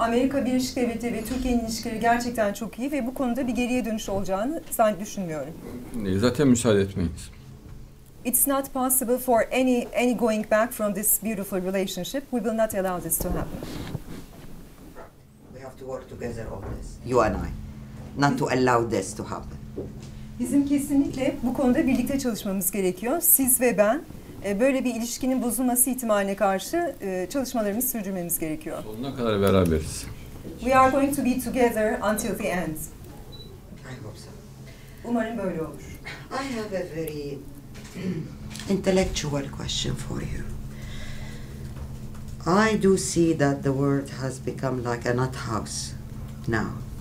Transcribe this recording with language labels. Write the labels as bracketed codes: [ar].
[tr] Amerika Birleşik Devletleri ve Türkiye'nin ilişkileri gerçekten çok iyi ve bu konuda bir geriye dönüş olacağını sanki düşünmüyorum. Zaten müsaade etmeyiz. [en] It's not possible for any going back from this beautiful relationship. We will not allow this to happen. We have to work together on this. You and I. Not to allow this to happen. [tr] Bizim kesinlikle bu konuda birlikte çalışmamız gerekiyor. Siz ve ben. Böyle bir ilişkinin bozulması ihtimaline karşı çalışmalarımızı sürdürmemiz gerekiyor. Sonuna kadar beraberiz. [en] We are going to be together until the end. I hope so. [tr] Umarım böyle olur. [en] I have a very intellectual question for you. I do see that the world has become like a nut house now.